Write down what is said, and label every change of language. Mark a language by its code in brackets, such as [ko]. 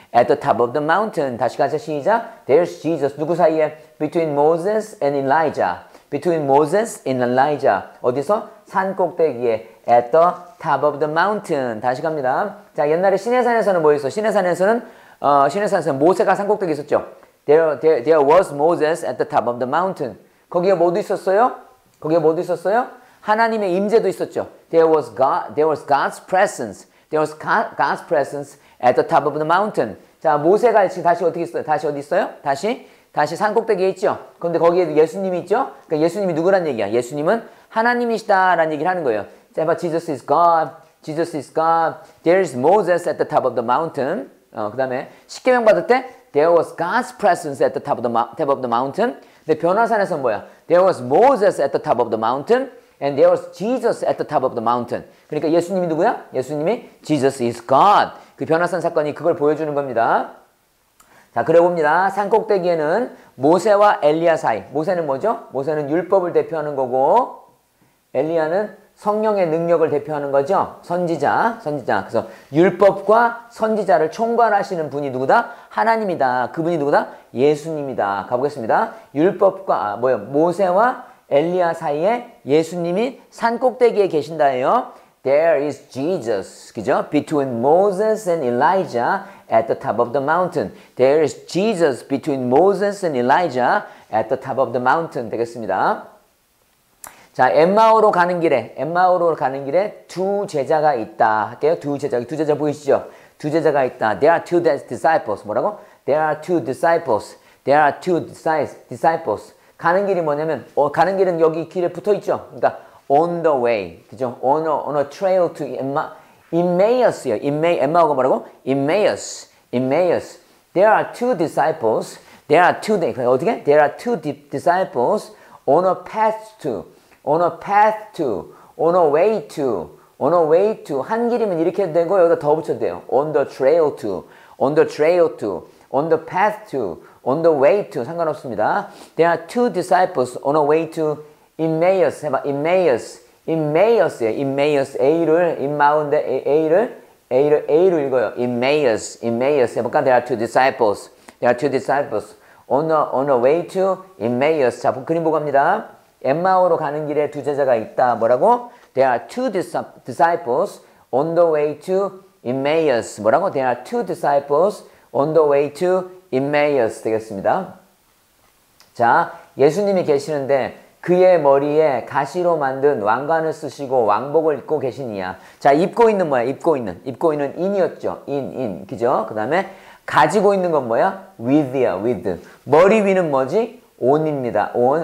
[en] At the top of the mountain. [ko] 다시 가자, 시작. [en] There's Jesus. [ko] 누구 사이에? [en] Between Moses and Elijah. Between Moses and Elijah. [ko] 어디서? 산 꼭대기에. [en] At the top of the mountain. [ko] 다시 갑니다. 자, 옛날에 시내산에서는 뭐 있어? 시내산에서는 모세가 산 꼭대기 있었죠. [en] There was Moses at the top of the mountain. [ko] 거기에 뭐도 있었어요? 거기에 뭐도 있었어요? 하나님의 임재도 있었죠. [en] There was God's presence at the top of the mountain. [ko] 자, 모세가 지금 다시 어떻게 있어요? 다시 어디 있어요? 다시 산 꼭대기에 있죠. 그런데 거기에도 예수님이 있죠. 그러니까 예수님이 누구란 얘기야? 예수님은 하나님이시다라는 얘기를 하는 거예요. 자, 봐. [en] Jesus is God. Jesus is God. There is Moses at the top of the mountain. [ko] 그다음에 십계명 받을 때 [en] There was God's presence at the top of the mountain. [ko] 근데 변화산에서는 뭐야? [en] There was Moses at the top of the mountain. And there was Jesus at the top of the mountain. [ko] 그러니까 예수님이 누구야? 예수님이 [en] Jesus is God. [ko] 그 변화산 사건이 그걸 보여주는 겁니다. 자, 그래 봅니다. 산 꼭대기에는 모세와 엘리야 사이. 모세는 뭐죠? 모세는 율법을 대표하는 거고 엘리야는 성령의 능력을 대표하는 거죠. 선지자, 선지자. 그래서 율법과 선지자를 총괄하시는 분이 누구다? 하나님이다. 그분이 누구다? 예수님이다. 가보겠습니다. 율법과 뭐요? 모세와 엘리야 사이에 예수님이 산 꼭대기에 계신다 해요. [en] There is Jesus, [ko] 그죠? [en] Between Moses and Elijah at the top of the mountain. There is Jesus between Moses and Elijah at the top of the mountain. [ko] 되겠습니다. 자, 엠마오로 가는 길에, 엠마오로 가는 길에 두 제자가 있다 할게요. 두 제자 보이시죠? 두 제자가 있다. [en] There are two disciples. [ko] 뭐라고? [en] There are two disciples. There are two disciples. [ko] 가는 길이 뭐냐면, 가는 길은 여기 길에 붙어 있죠? 그러니까, [en] on the way. [ko] 그죠? [en] On a trail to Emmaus요. Emmaus가 [ko] 뭐라고? [en] Emmaus. Emmaus. There are two disciples. There are two, [ko] 어떻게? [en] There are two disciples on a path to. On a path to, on a way to, on a way to. [ko] 한 길이면 이렇게 해도 되고 여기다 더 붙여도 돼요. [en] On the trail to, on the trail to, on the path to, on the way to. [ko] 상관없습니다. [en] There are two disciples on a way to Emmaus. [ko] 해봐. Emmaus. Emmaus예요. Emmaus. A를, 인마운데 A를, A를, A를 읽어요. Emmaus. Emmaus. 해볼까? [en] There are two disciples. There are two disciples. On a way to Emmaus. [ko] 자, 그림 보고 갑니다. 엠마오로 가는 길에 두 제자가 있다. 뭐라고? [en] There are two disciples on the way to Emmaus. [ko] 뭐라고? [en] There are two disciples on the way to Emmaus. [ko] 되겠습니다. 자, 예수님이 계시는데 그의 머리에 가시로 만든 왕관을 쓰시고 왕복을 입고 계시니야. 자, 입고 있는 뭐야? 입고 있는 인이었죠. 인. 그죠? 그 다음에 가지고 있는 건 뭐야? with야, with. 머리 위는 뭐지? on입니다. on.